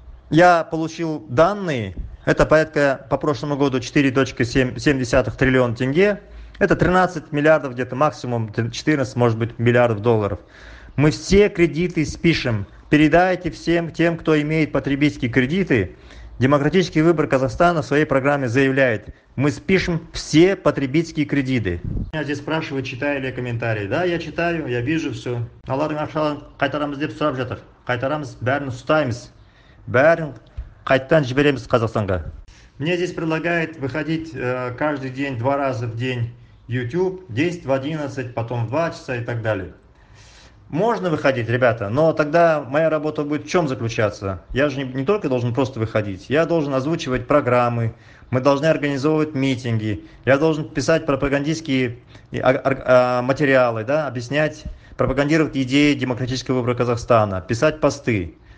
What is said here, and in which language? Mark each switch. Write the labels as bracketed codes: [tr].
[ru] Я получил данные, это порядка по прошлому году 4,7 триллиона тенге, это 13 миллиардов где-то максимум, 14, может быть, миллиардов долларов. Мы все кредиты спишем. Передайте всем тем, кто имеет потребительские кредиты. Демократический выбор Казахстана в своей программе заявляет. Мы спишем все потребительские кредиты. Меня здесь спрашивают, читаю ли я комментарии. Да, я читаю, я вижу все. [kk] Алладың ақшаларын қайтарамыз деп сұрап жатыр. Қайтарамыз, бәрін ұстаймыз. Бәрін қайттан жібереміз Қазақстанға. [ru] Мне здесь предлагают выходить каждый день, 2 раза в день YouTube. 10 в 11, потом в 2 часа и так далее. Можно выходить, ребята, но тогда моя работа будет в чем заключаться? Я же не только должен просто выходить, я должен озвучивать программы, мы должны организовывать митинги, я должен писать пропагандистские материалы, да, объяснять, пропагандировать идеи демократического выбора Казахстана, писать посты.